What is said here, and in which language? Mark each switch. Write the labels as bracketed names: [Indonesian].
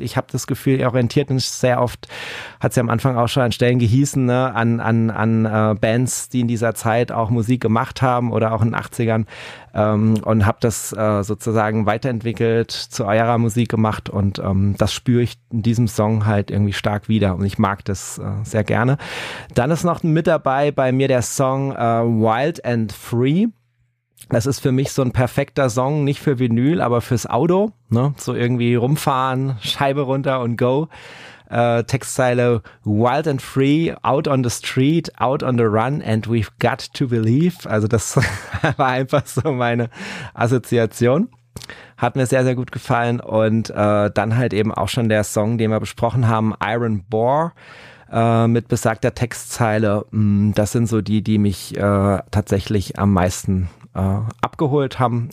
[German] Ich habe das Gefühl, ihr orientiert mich sehr oft, hat es ja am Anfang auch schon an Stellen gehießen, ne, an Bands, die in dieser Zeit auch Musik gemacht haben oder auch in den 80ern und habe das sozusagen weiterentwickelt, zu eurer Musik gemacht und das spüre ich in diesem Song halt irgendwie stark wieder und ich mag das sehr gerne. Dann ist noch mit dabei bei mir der Song Wild and Free. Das ist für mich so ein perfekter Song, nicht für Vinyl, aber fürs Auto, ne? So irgendwie rumfahren, Scheibe runter und go. [English] Textzeile Wild and Free, out on the street, out on the run and we've got to believe. [German] Also das war einfach so meine Assoziation. Hat mir sehr, sehr gut gefallen und dann halt eben auch schon der Song, den wir besprochen haben, Iron Boar, mit besagter Textzeile. Das sind so die, die mich tatsächlich am meisten abgeholt haben.